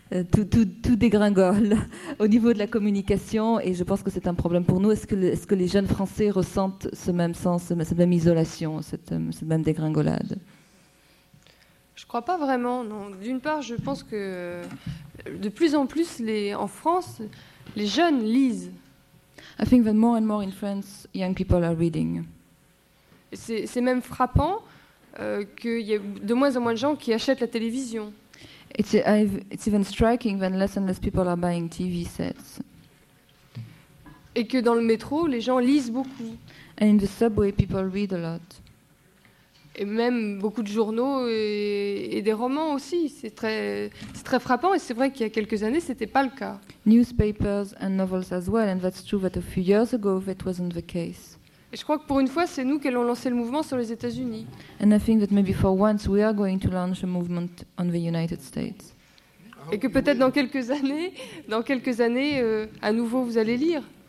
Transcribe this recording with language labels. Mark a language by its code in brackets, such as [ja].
[fr] Tout dégringole au niveau de la communication, et je pense que c'est un problème pour nous. Est-ce que les jeunes Français ressentent ce même sens, cette même isolation, cette même dégringolade? Je ne crois pas vraiment. Non. D'une part, je pense que de plus en plus, en France, les jeunes lisent. [en] I think that more and more in France, young people are reading. [fr] C'est même frappant qu'il y ait de moins en moins de gens qui achètent la télévision. [en] It's even striking when less and less people are buying TV sets. [fr] Et que dans le métro, les gens lisent beaucoup. [en] And in the subway, people read a lot. [fr] Et même beaucoup de journaux et des romans aussi. C'est très frappant. Et c'est vrai qu'il y a quelques années, c'était pas le cas. [en] Newspapers and novels as well. And that's true that a few years ago, that wasn't the case. [fr] Et je crois que pour une fois, c'est nous qui allons lancer le mouvement sur les États-Unis. [en] And I think that maybe for once we are going to launch a movement on the United States. [fr] Et que peut-être dans quelques années, à nouveau vous allez lire.